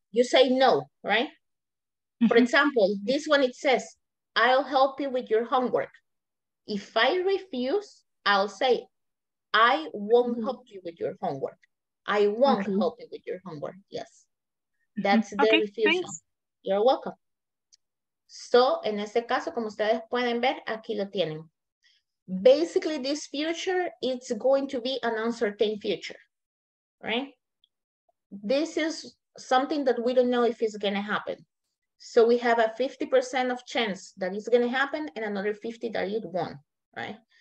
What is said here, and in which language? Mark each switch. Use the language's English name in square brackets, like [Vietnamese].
[English] You say no, right? For example, this one it says, I'll help you with your homework. If I refuse, I'll say, I won't help you with your homework. I won't help you with your homework, yes. That's the refusal. Thanks. You're welcome. [Spanish] So, en este caso, como ustedes pueden ver, aquí lo tienen. [English] Basically, this future, it's going to be an uncertain future, right? This is something that we don't know if it's going to happen. So we have a 50% of chance that it's going to happen and another 50% that it won't, right?